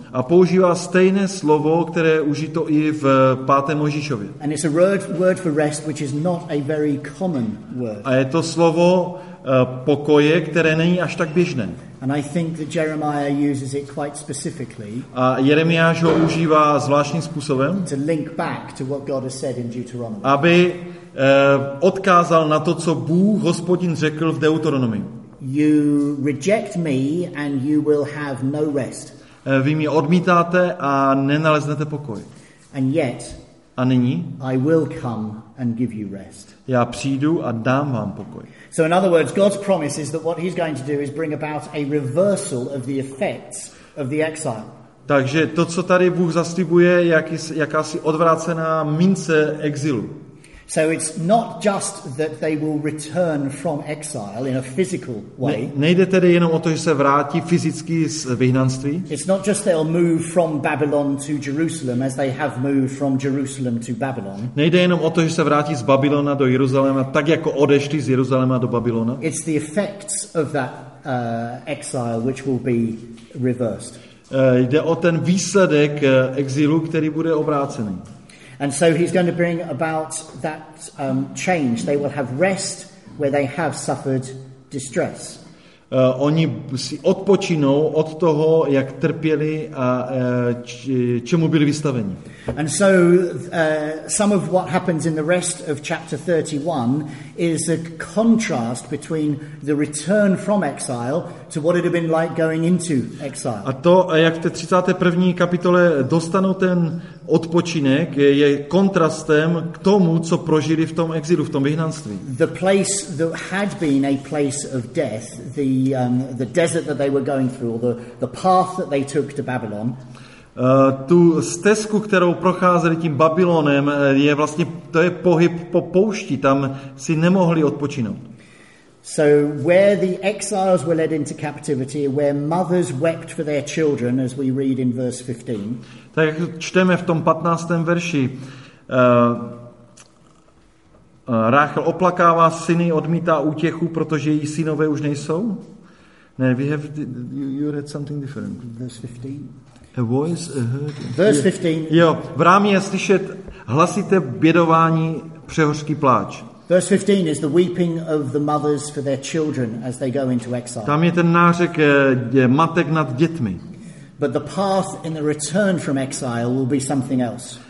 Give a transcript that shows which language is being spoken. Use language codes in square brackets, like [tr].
[cs] A používá stejné slovo, které je užito i v 5. Mojžíšově. [en] And it's a word for rest which is not a very common word. [cs] A je to slovo pokoje, které není až tak běžné. [en] And I think that Jeremiah uses it quite specifically. [cs] A Jeremiáš ho užívá zvláštním způsobem. [en] To link back to what God has said in Deuteronomy. [cs] Aby odkázal na to, co Bůh, Hospodin, řekl v Deuteronomii. [en] You reject me and you will have no rest. [cs] Vy mě odmítáte a nenaleznete pokoj. [en] And yet, [cs] a nyní, [en] I will come and give you rest. [cs] Já přijdu a dám vám pokoj. [en] So in other words, God's promise is that what he's going to do is bring about a reversal of the effects of the exile. [cs] Takže to, co tady Bůh zaslibuje, jakási odvrácená mince exilu. [en] So it's not just that they will return from exile in a physical way. [cs] Nejde tedy jenom o to, že se vrátí fyzicky z vyhnanství. [en] It's not just they'll move from Babylon to Jerusalem as they have moved from Jerusalem to Babylon. [cs] Nejde jenom o to, že se vrátí z Babylona do Jeruzaléma, tak jako odešli z Jeruzaléma do Babylona. [en] It's the effects of that exile which will be reversed. [cs] Jde o ten výsledek exilu, který bude obrácený. [en] And so he's going to bring about that change. They will have rest where they have suffered distress. [cs] Oni si odpočinou od toho, jak trpěli a čemu byli vystaveni. [en] And so some of what happens in the rest of chapter 31 is a contrast between the return from exile to what it had been like going into exile. [cs] A to, jak v té 31. kapitole dostanou ten odpočinek, je kontrastem k tomu, co prožili v tom exilu, v tom vyhnanství. [en] The place that had been a place of death, the desert that they were going through, or the path that they took to Babylon. [cs] Tu stezku, kterou procházeli tím Babylonem, je vlastně, to je pohyb po poušti, tam si nemohli odpočinout. [en] So where the exiles were led into captivity, where mothers wept for their children, as we read in verse 15. [cs] Tak jak čteme v tom 15. verši, Ráchel oplakává syny, odmítá útěchu, protože její synové už nejsou. [en] Ne, we have you read something different. Verse 15. A voice heard. Verse 15. [cs] Jo, v rámě je slyšet hlasité bědování, přehořký pláč. [en] Verse 15 is the weeping of the mothers for their children as they go into exile. [cs] Tam je ten nářek matek nad dětmi. [en] But the path in the return from exile will be something else.